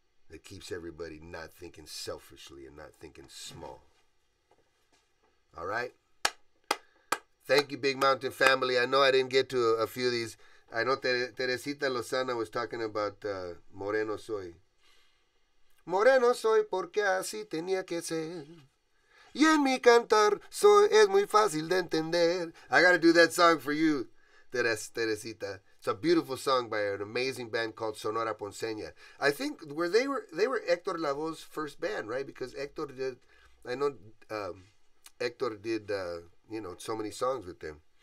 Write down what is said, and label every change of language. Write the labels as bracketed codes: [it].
[en] that keeps everybody not thinking selfishly and not thinking small. All right? Thank you, Big Mountain family. I know I didn't get to a few of these. I know Teresita Lozana was talking about Moreno Soy. [es] Moreno soy porque así tenía que ser. Y en mi cantar soy es muy fácil de entender. [en] I got to do that song for you, Teresita. It's a beautiful song by an amazing band called Sonora Ponceña. I think where they were Hector Lavoe's first band, right? Because Hector did, I know Hector did, you know, so many songs with them.